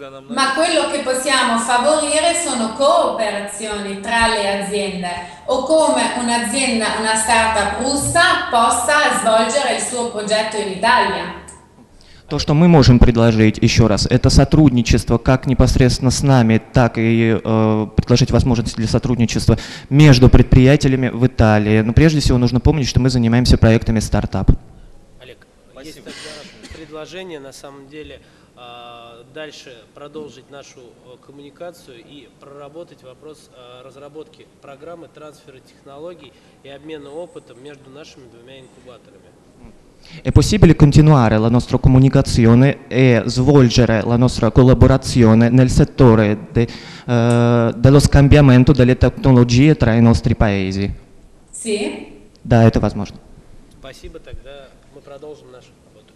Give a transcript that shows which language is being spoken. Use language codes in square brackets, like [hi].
[it] Ma quello che possiamo favorire sono cooperazioni tra le aziende o come un'azienda, una startup russa possa svolgere il suo progetto in Italia. [ru] То, что мы можем предложить еще раз, это сотрудничество как непосредственно с нами, так и предложить возможности для сотрудничества между предприятиями в Италии. Но прежде всего нужно помнить, что мы занимаемся проектами стартап. Олег, спасибо. Есть тогда предложение на самом деле. Дальше продолжить нашу коммуникацию и проработать вопрос разработки программы трансфера технологий и обмена опытом между нашими двумя инкубаторами. [it] È possibile continuare la nostra comunicazione e svolgere la nostra collaborazione nel settore dello scambiamento delle tecnologie tra i nostri paesi? Sì. [ru] Да, это возможно. Спасибо, тогда мы продолжим нашу работу.